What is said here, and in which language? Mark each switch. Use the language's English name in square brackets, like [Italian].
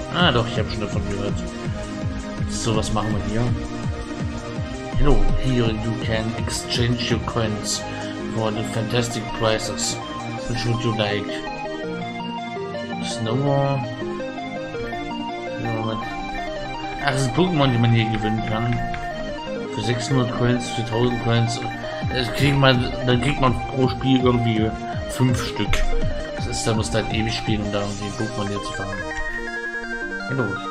[German] Ah, doch, ich habe schon davon gehört. So, was machen wir hier? [English] Hello, here you can exchange your coins for the fantastic prices. Which would you like? [German] Ach, das ist ein Pokémon, den man hier gewinnen kann. Für 600 Coins, für 1000 Coins. Dann kriegt man pro Spiel irgendwie 5 Stück. Das ist, da muss man halt ewig spielen, um da irgendwie Pokémon hier zu fahren. Genau.